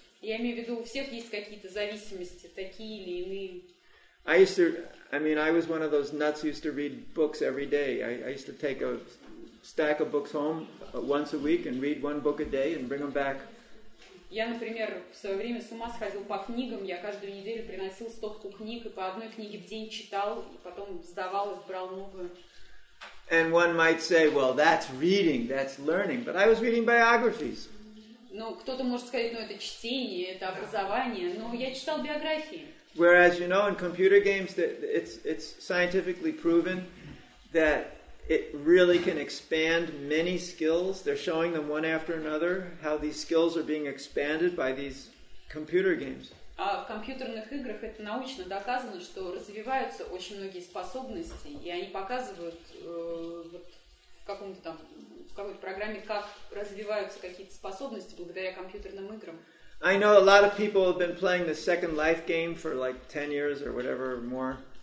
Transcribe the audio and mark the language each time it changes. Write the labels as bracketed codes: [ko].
[ru] Я имею в виду, у всех есть какие-то зависимости, такие или иные. [en] I was one of those nuts who used to read books every day. I used to take a stack of books home once a week and read one book a day and bring them back. [ru] Я, например, в свое время с ума сходил по книгам. Я каждую неделю приносил стопку книг и по одной книге в день читал, и потом сдавал и брал новую. [en] And one might say, well, that's reading, that's learning. But I was reading biographies. [ru] Ну, кто-то может сказать, ну, это чтение, это образование. Но я читал биографии. [en] Whereas, you know, in computer games, it's scientifically proven that it really can expand many skills. They're showing them one after another how these skills are being expanded by these computer games. [ru] В компьютерных играх это научно доказано, что развиваются очень многие способности, и они показывают в какой-то программе, как развиваются какие-то способности благодаря компьютерным играм. [en] I know a lot of people have been playing the Second Life game for like 10 years or whatever or more.